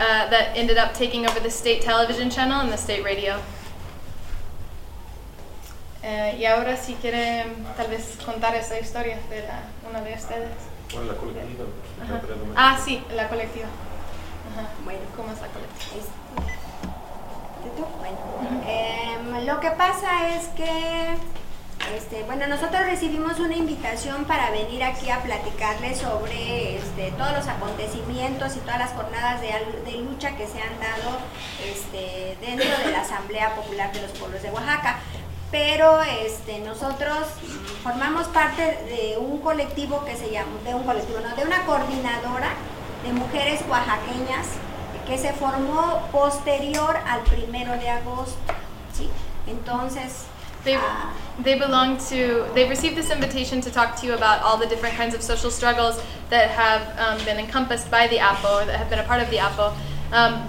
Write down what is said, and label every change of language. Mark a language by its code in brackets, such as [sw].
[en] That ended up taking over the state television channel and the state radio. [es] Y ahora si quieren tal vez contar esa historia de una de ustedes. Bueno, la colectiva. Uh-huh. Ah, sí, la colectiva. Uh-huh. Bueno, ¿cómo es la colectiva? Lo que pasa es que nosotros recibimos una invitación para venir aquí a platicarles sobre todos los acontecimientos y todas las jornadas de lucha que se han dado dentro de la Asamblea Popular de los Pueblos de Oaxaca, pero nosotros formamos parte de un colectivo que se llama de una coordinadora de mujeres oaxaqueñas que se formó posterior al 1 de agosto, ¿sí? Entonces, [en] they've received this invitation to talk to you about all the different kinds of social struggles that have been encompassed by the APO, that have been a part of the APO.